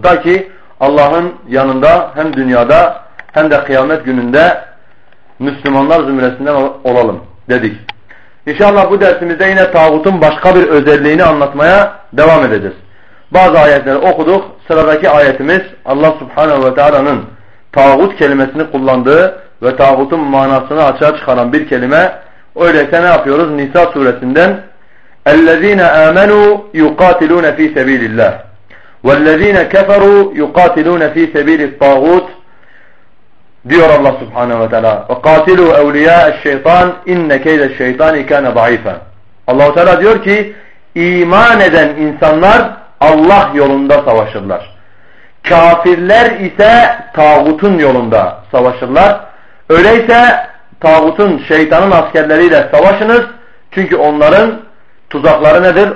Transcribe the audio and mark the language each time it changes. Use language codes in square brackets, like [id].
[tr] Ta ki Allah'ın yanında hem dünyada hem de kıyamet gününde Müslümanlar zümresinden olalım dedik. İnşallah bu dersimizde yine tağutun başka bir özelliğini anlatmaya devam edeceğiz. Bazı ayetleri okuduk. Sıradaki ayetimiz Allah Subhanahu ve Teala'nın tağut kelimesini kullandığı ve tağutun manasını açığa çıkaran bir kelime. Öyleyse ne yapıyoruz? Nisa suresinden [ar] الذين آمنوا يقاتلون في سبيل الله والذين كفروا يقاتلون في سبيل الطاغوت [tr] diyor Allah Subhanahu ve Teala. [ar] وقاتلوا أولياء الشيطان إن كيد الشيطان كان ضعيفا. [tr] Allah Teala diyor ki iman eden insanlar Allah yolunda savaşırlar. Kafirler ise tağutun yolunda savaşırlar. Öyleyse tağutun, şeytanın askerleriyle savaşınız, çünkü onların tuzakları nedir?